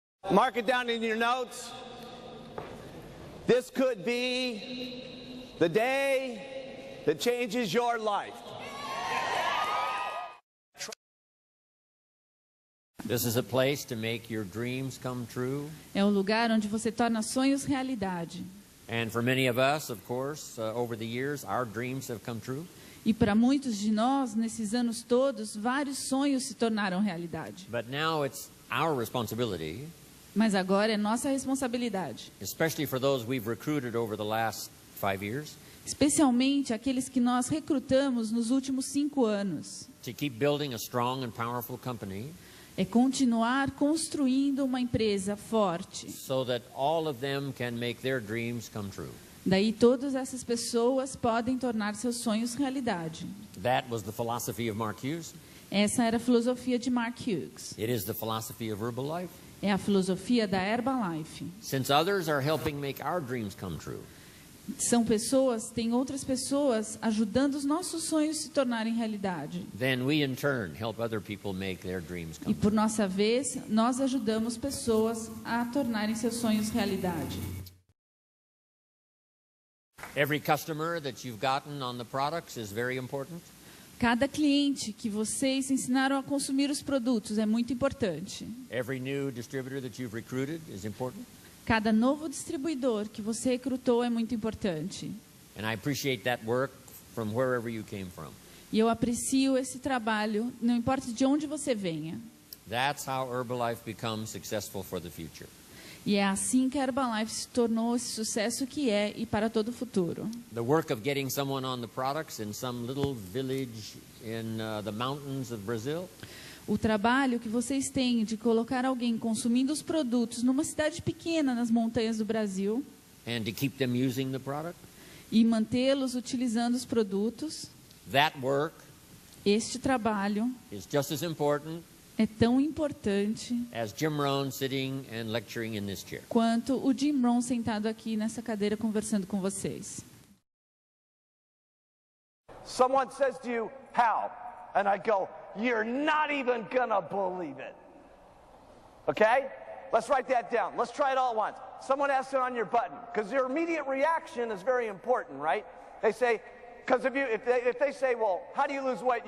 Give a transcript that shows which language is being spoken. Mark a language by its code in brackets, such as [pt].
[en] Mark it down in your notes. This could be the day that changes your life. This is a place to make your dreams come true. [pt] É um lugar onde você torna sonhos realidade. [en] And for many of us, of course, over the years, our dreams have come true. [pt] E para muitos de nós, nesses anos todos, vários sonhos se tornaram realidade. [en] But now it's our responsibility. [pt] Mas agora é nossa responsabilidade. [en] Especially for those we've recruited over the last 5 years. [pt] Especialmente aqueles que nós recrutamos nos últimos 5 anos. [en] To keep building a strong and powerful company. [pt] É continuar construindo uma empresa forte. [en] So that all of them can make their dreams come true. [pt] Daí todas essas pessoas podem tornar seus sonhos realidade. [en] That was the philosophy of Mark Hughes. [pt] Essa era a filosofia de Mark Hughes. [en] It is the philosophy of Herbalife. [pt] É a filosofia da Herbalife. [en] Since others are helping make our dreams come true. [pt] São pessoas, tem outras pessoas ajudando os nossos sonhos se tornarem realidade. [en] Then we in turn help other people make their dreams come [pt] true. E por nossa vez, nós ajudamos pessoas a tornarem seus sonhos realidade. [en] Every customer that you've gotten on the products is very important. [pt] Cada cliente que vocês ensinaram a consumir os produtos é muito importante. [en] Every new distributor that you've recruited is important. [pt] Cada novo distribuidor que você recrutou é muito importante. [en] And I appreciate that work from wherever you came from. [pt] E eu aprecio esse trabalho, não importa de onde você venha. [en] That's how Herbalife becomes successful for the future. [pt] E é assim que a Herbalife se tornou esse sucesso que é e para todo o futuro. [en] The work of getting someone on the products in some little village in the mountains of Brazil. [pt] O trabalho que vocês têm de colocar alguém consumindo os produtos numa cidade pequena nas montanhas do Brasil. [en] And to keep them using the product. [pt] E mantê-los utilizando os produtos. [en] That work. [pt] Este trabalho. [en] Is just as important. [pt] É tão importante [en] as Jim Rohn sitting and lecturing in this chair. [pt] Quanto o Jim Rohn sentado aqui nessa cadeira conversando com vocês. [en] Someone says to you, "How?" And I go, "You're not even gonna believe it." Okay? Let's write that down. Let's try it all at once. Someone asks it on your button, because your immediate reaction is very important, right? They say, because if they say, "Well, how do you lose weight?"